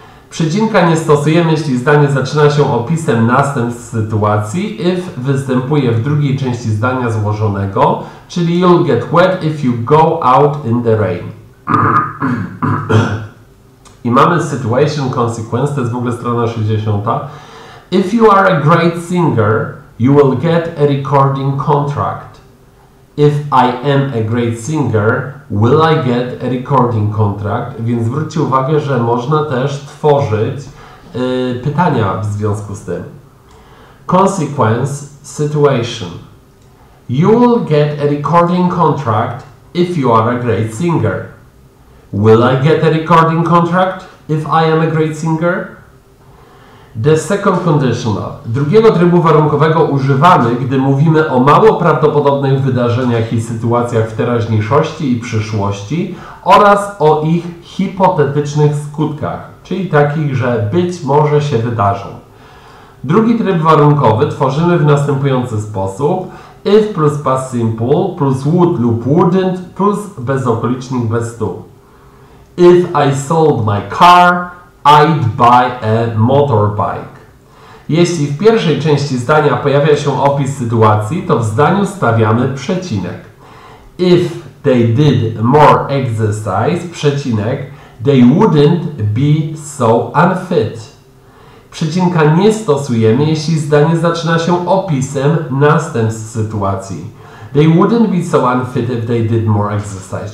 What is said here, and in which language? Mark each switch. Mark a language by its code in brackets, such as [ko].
[pl] Przecinka nie stosujemy, jeśli zdanie zaczyna się opisem następstw sytuacji, if występuje w drugiej części zdania złożonego, czyli [en] you'll get wet if you go out in the rain. [pl] I mamy situation consequence, to jest w ogóle strona 60. [en] If you are a great singer, you will get a recording contract. If I am a great singer, will I get a recording contract? [pl] Więc zwróćcie uwagę, że można też tworzyć pytania w związku z tym. [en] Consequence, situation. You will get a recording contract if you are a great singer. Will I get a recording contract if I am a great singer? The second conditional. [pl] Drugiego trybu warunkowego używamy, gdy mówimy o mało prawdopodobnych wydarzeniach i sytuacjach w teraźniejszości i przyszłości oraz o ich hipotetycznych skutkach, czyli takich, że być może się wydarzą. Drugi tryb warunkowy tworzymy w następujący sposób. If plus past simple plus would lub wouldn't plus bezokolicznik bez to. [en] If I sold my car, I'd buy a motorbike. [pl] Jeśli w pierwszej części zdania pojawia się opis sytuacji, to w zdaniu stawiamy przecinek. [en] If they did more exercise, przecinek, they wouldn't be so unfit. [pl] Przecinka nie stosujemy, jeśli zdanie zaczyna się opisem następstw sytuacji. [en] They wouldn't be so unfit if they did more exercise.